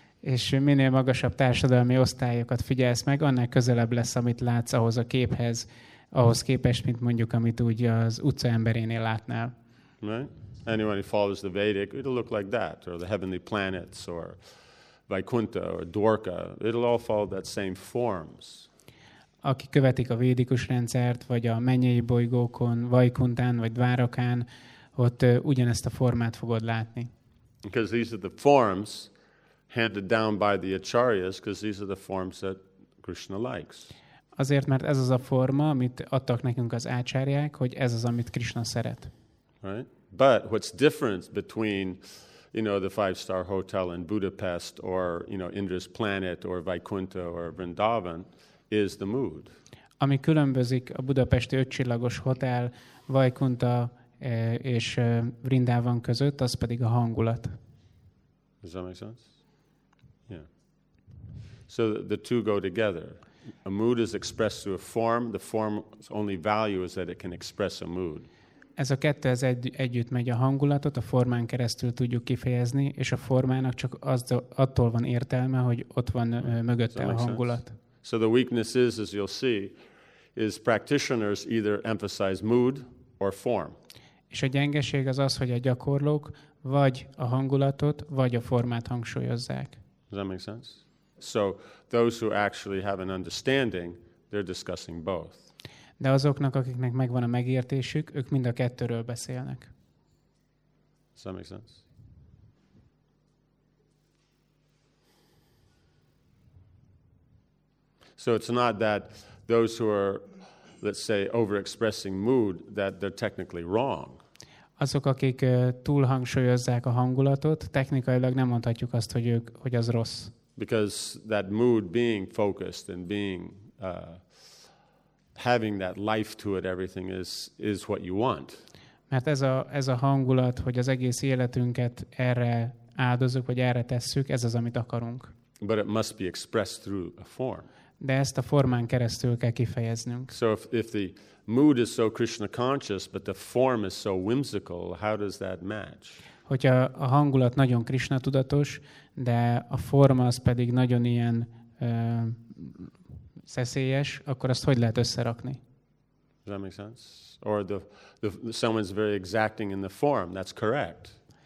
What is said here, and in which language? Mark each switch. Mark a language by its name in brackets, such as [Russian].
[Hungarian] És minél magasabb társadalmi osztályokat figyelsz meg, annál közelebb lesz, amit látsz ahhoz a képhez, ahhoz képest, mint mondjuk, amit úgy az utca emberénél látnál. [English] Right? Anyone who follows the Vedic, it'll look like that, or the heavenly planets, or Vaikuntha, or Dwarka. It'll all follow that same forms. [Hungarian] Aki követik a védikus rendszert, vagy a mennyei bolygókon, Vaikuntán, vagy Dvárakán, ott ugyanezt a formát fogod látni. [English] Because these are the forms handed down by the acharyas, because these are the forms that Krishna likes. [Hungarian] Azért, mert ez az a forma, amit adtak nekünk az ácsárják, hogy ez az, amit Krishna szeret. [English] Right? But what's different between, you know, the five-star hotel in Budapest, or, you know, Indra's planet, or Vaikuntha, or Vrindavan, is the mood. [Hungarian] Ami különbözik a budapesti ötcsillagos hotel, Vaikuntha, és Vrindavan között, az pedig a hangulat. [English] Does that make sense? Yeah. So the two go together. A mood is expressed through a form. The form's only value is that it can express a mood. [Hungarian] Ez a kettő az együtt megy, a hangulatot a formán keresztül tudjuk kifejezni, és a formának csak attól van értelme, hogy ott van mögötte a hangulat. [English] So the weakness is, as you'll see, is practitioners either emphasize mood or form. [Hungarian] És a gyengeség az az, hogy a gyakorlók vagy a hangulatot, vagy a formát hangsúlyozzák. [English] Does that make sense? So those who actually have an understanding, they're discussing both. [Hungarian] De azoknak, akiknek megvan a megértésük, ők mind a kettőről beszélnek. [English] Does that make sense? So it's not that those who are, let's say, overexpressing mood, that they're technically wrong. [Hungarian] Azok, akik túl hangsúlyozzák a hangulatot, technikailag nem mondhatjuk azt, hogy ők, hogy az rossz. [English] Because that mood being focused and being having that life to it, everything is what you want. [Hungarian] Mert ez a hangulat, hogy az egész életünket erre áldozunk, vagy erre tesszük, ez az, amit akarunk. [English] But it must be expressed through a form. [Hungarian] De ezt a formán keresztül kell kifejeznünk. [English] So if the mood is so Krishna conscious, but the form is so whimsical, how does that match? [Hungarian] Hogyha a hangulat nagyon Krishna tudatos, de a forma az pedig nagyon ilyen szeszélyes, akkor azt hogy lehet összerakni? [English] Does that make sense? Or the someone's very exacting in the form, that's correct.